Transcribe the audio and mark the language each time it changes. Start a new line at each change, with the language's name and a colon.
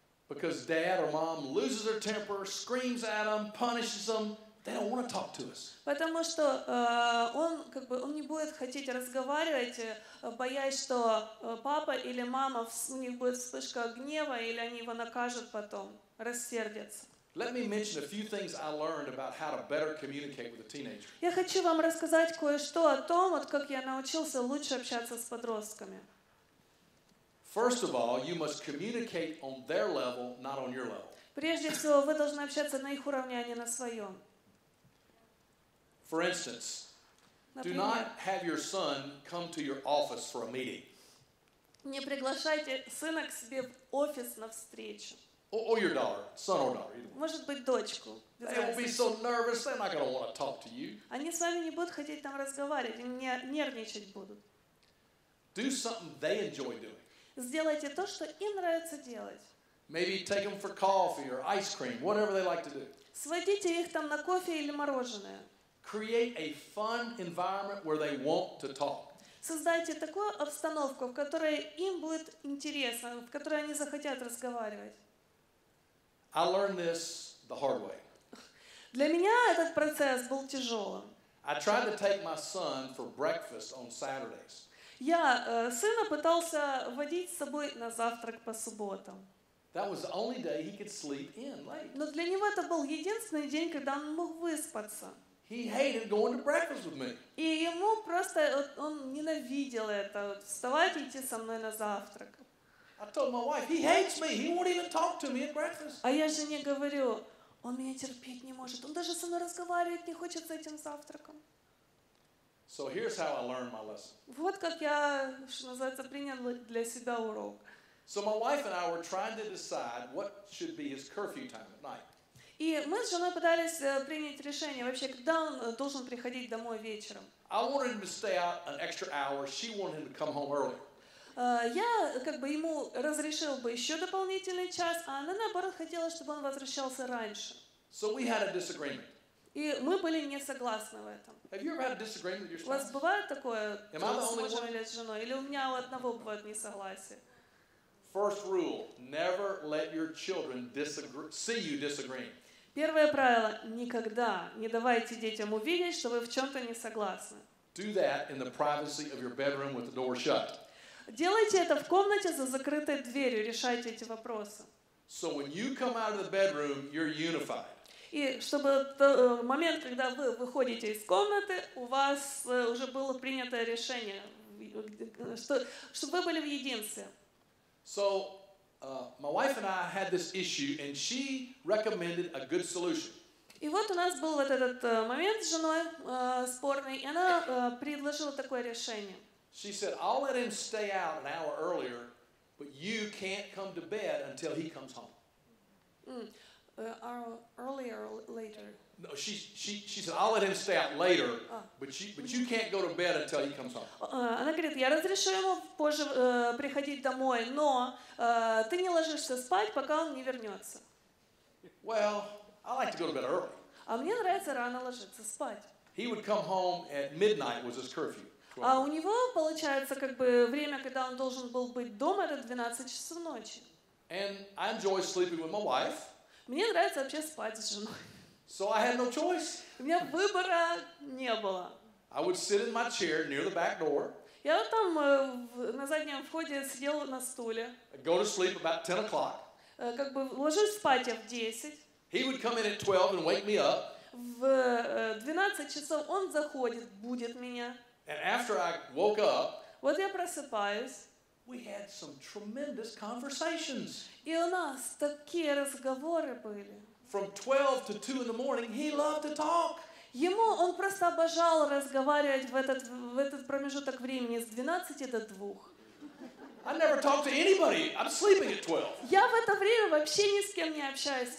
English: Because dad or mom loses their temper, screams at them, punishes them. They don't want to talk to us.
Russian: Потому что он не будет хотеть разговаривать, боясь, что папа или мама, у них будет вспышка гнева, или они его накажут потом, рассердятся.
English: Let me mention a few things I learned about how to better communicate with a teenager.
Russian: Я хочу вам рассказать кое-что о том, вот как я научился лучше общаться с подростками.
English: First of all, you must communicate on their level, not on your level.
Russian: Прежде всего, вы должны общаться на их уровне, а не на своем.
English: For instance, do not have your son come to your office for a meeting.
Russian: Не приглашайте сына к себе в офис на встречу.
English: Or your daughter, son or daughter.
Russian: Может быть, дочку.
English: They will be so nervous, they're not going to want to talk to you.
Russian: Они с вами не будут хотеть там разговаривать, они нервничать будут.
English: Do something they enjoy doing.
Russian: Сделайте то, что им нравится делать.
English: Maybe take them for coffee or ice cream, whatever they like to do.
Russian: Сводите их там на кофе или мороженое.
English: Create a fun environment where they want to talk.
Russian: Создайте такую обстановку, в которой им будет интересно, в которой они захотят разговаривать.
English: I learned this the hard way.
Russian: Для меня этот процесс был тяжелым.
English: I tried to take my son for breakfast on Saturdays.
Russian: Я сына пытался водить с собой на завтрак по субботам.
English: That was the only day he could sleep in late.
Russian: Но для него это был единственный день, когда он мог выспаться.
English: He hated going to breakfast with me.
Russian: И ему просто он ненавидел это, вставать идти со мной на завтрак.
English: I told my wife, he hates me. He won't even talk to me at breakfast.
Russian: А я жене говорю, он меня терпеть не может. Он даже со мной разговаривать не хочет за этим завтраком.
English: So here's how I learned my lesson.
Russian: Вот как я, что называется, принял для себя урок.
English: So my wife and I were trying to decide what should be his curfew time at night.
Russian: И мы с женой пытались принять решение, вообще, когда он должен приходить домой вечером.
English: I wanted him to stay out an extra hour. She wanted him to come home early.
Russian: Я ему разрешил бы еще дополнительный час, а она наоборот хотела, чтобы он возвращался раньше.
English: So we had a disagreement.
Russian: И мы были не согласны в этом.
English: Have you ever had a disagreement with your spouse?
Russian: У вас бывает такое, с мужем или с женой, или у меня у одного бывает несогласие?
English: First rule: never let your children see you disagreeing.
Russian: Первое правило: никогда не давайте детям увидеть, что вы в чем-то не согласны.
English: Do that in the privacy of your bedroom with the door shut.
Russian: Делайте это в комнате за закрытой дверью, решайте эти вопросы.
English: So when you come out of the bedroom, you're unified.
Russian: И чтобы в момент, когда вы выходите из комнаты, у вас уже было принято решение, чтобы вы были в единстве.
English: So, my wife and I had this issue, and she recommended a good solution.
Russian: И вот у нас был этот момент с женой спорный, и она предложила такое решение.
English: She said, "I'll let him stay out an hour earlier, but you can't come to bed until he comes home." Earlier or later? No, she said, "I'll let him stay out later, but you can't go to bed until he comes home."
Russian: Она говорит, я разрешу ему позже приходить домой, но ты не ложишься спать, пока он не вернется.
English: Well, I like to go to bed early.
Russian: А мне нравится рано ложиться спать.
English: He would come home at midnight was his curfew.
Russian: А у него получается как бы время, когда он должен был быть дома, это 12 часов ночи.
English: And I enjoy sleeping with my wife.
Russian: Мне нравится вообще спать с женой.
English: So I had no choice.
Russian: У меня выбора не было.
English: I would sit in my chair near the back door.
Russian: Я вот там на заднем входе сидел на стуле.
English: Go to sleep about 10 o'clock.
Russian: Как бы ложусь спать я в 10.
English: He would come in at 12 and wake me up.
Russian: В 12 часов он заходит, будет меня.
English: And after I woke up,
Russian: вот я просыпаюсь.
English: We had some tremendous conversations.
Russian: И у нас такие разговоры были.
English: From 12 to 2 in the morning, he loved to talk.
Russian: Ему он просто обожал разговаривать в этот промежуток времени с 12 до 2.
English: I never talk to anybody. I'm sleeping at 12.
Russian: Я в это время вообще ни с кем не общаюсь.